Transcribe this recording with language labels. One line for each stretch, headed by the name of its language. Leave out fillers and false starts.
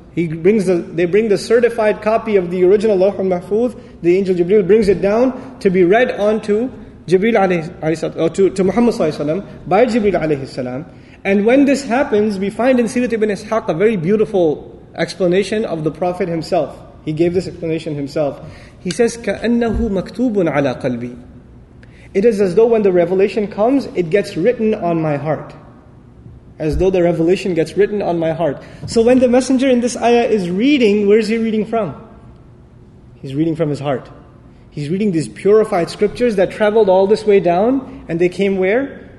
English: They bring the certified copy of the original Lawh al-Mahfuz. The angel Jibreel brings it down to be read onto Jibreel alayhi salam, or to Muhammad sallallahu alayhi salam, by Jibreel alayhi salam. And when this happens, we find in Sirat ibn Ishaq a very beautiful explanation of the Prophet himself. He gave this explanation himself. He says,
Arabic: كَأَنَّهُ مَكْتُوبٌ عَلَىٰ قَلْبِي.
English: It is as though when the revelation comes, it gets written on my heart. As though the revelation gets written on my heart. So when the messenger in this ayah is reading, where is he reading from? He's reading from his heart. He's reading these purified scriptures that traveled all this way down, and they came where?